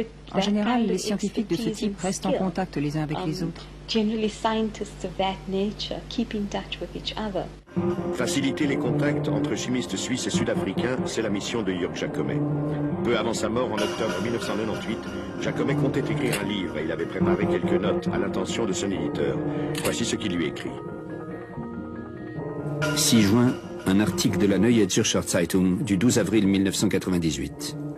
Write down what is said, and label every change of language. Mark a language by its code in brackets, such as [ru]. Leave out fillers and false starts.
[fr] En général, les scientifiques de ce type restent en contact les uns avec les autres. [en] Generally, scientists of that nature keep in touch with each other. [fr] Faciliter les contacts entre chimistes suisses et sud-africains, c'est la mission de Jörg Jacomet. Peu avant sa mort, en octobre 1998, Jacomet comptait écrire un livre et il avait préparé quelques notes à l'intention de son éditeur. Voici ce qu'il lui écrit. 6 juin, un article de la Neue Zürcher Zeitung du 12 avril 1998.